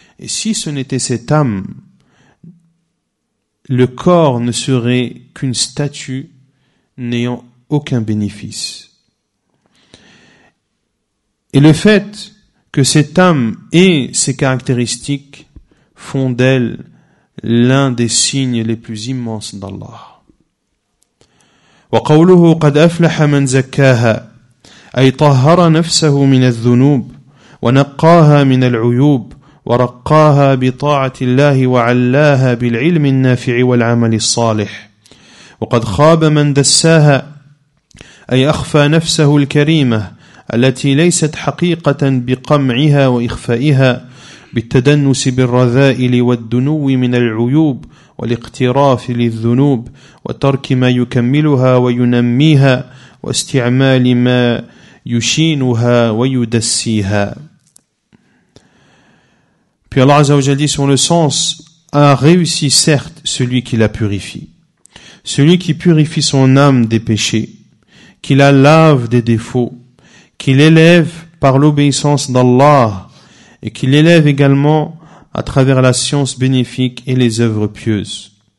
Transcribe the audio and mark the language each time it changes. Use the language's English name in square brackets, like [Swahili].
[French] Et si ce n'était cette âme, le corps ne serait qu'une statue n'ayant aucun bénéfice. Et le fait que cette âme ait ces caractéristiques font d'elle l'un des signes les plus immenses d'Allah. [Arabic] وَقَوْلُهُ قَدْ أَفْلَحَ مَنْ زَكَّاهَا أَيْ طَهَّرَ نَفْسَهُ مِنَ الذُّنُوبِ ونقاها من العيوب ورقاها بطاعة الله وعلاها بالعلم النافع والعمل الصالح. وقد خاب من دساها أي أخفى نفسه الكريمة التي ليست حقيقة بقمعها وإخفائها بالتدنس بالرذائل والدنو من العيوب والاقتراف للذنوب وترك ما يكملها وينميها واستعمال ما يشينها ويدسيها. [French] Puis Allah Azza wa Jalla dit sur le sens, a réussi certes celui qui la purifie, celui qui purifie son âme des péchés, qui la lave des défauts, qui l'élève par l'obéissance d'Allah et qui l'élève également à travers la science bénéfique et les œuvres pieuses.